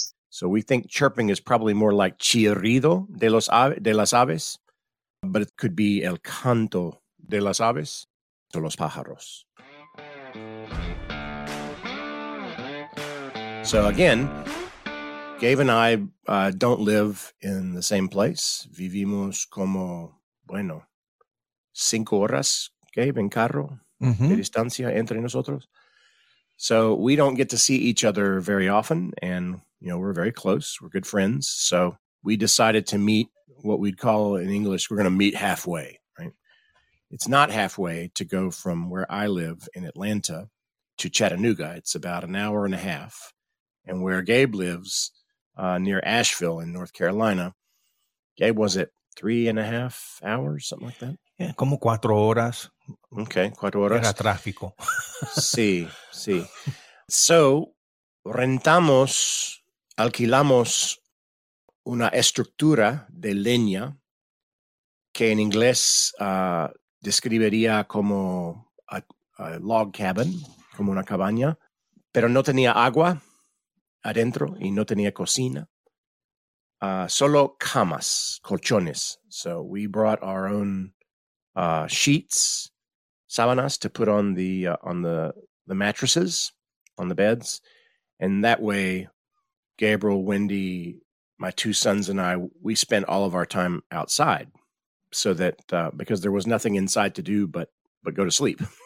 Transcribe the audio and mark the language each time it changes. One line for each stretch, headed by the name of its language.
English: So we think chirping is probably more like
Spanish: chirrido de las aves,
English: but it could be
Spanish: el canto de las aves de los pájaros.
English: So again, Gabe and I don't live in the same place.
Spanish: Vivimos como, bueno, 5 horas, Gabe, en carro, mm-hmm, de distancia entre nosotros.
English: So we don't get to see each other very often, and, you know, we're very close. We're good friends. So we decided to meet what we'd call in English, we're going to meet halfway, right? It's not halfway to go from where I live in Atlanta to Chattanooga. It's about an hour and a half, and where Gabe lives, near Asheville in North Carolina. Gabe, was it 3.5 hours, something like that?
Spanish: Yeah, como 4 horas. Okay, 4 horas. Era tráfico. sí. So, alquilamos una estructura de leña que en inglés describiría como
English: a log cabin,
Spanish: como una cabaña, pero no tenía agua adentro y no tenía cocina, solo camas, colchones.
English: So we brought our own sheets sabanas to put on the mattresses, on the beds. And that way, Gabriel, Wendy, my two sons and I, we spent all of our time outside, so that because there was nothing inside to do but go to sleep.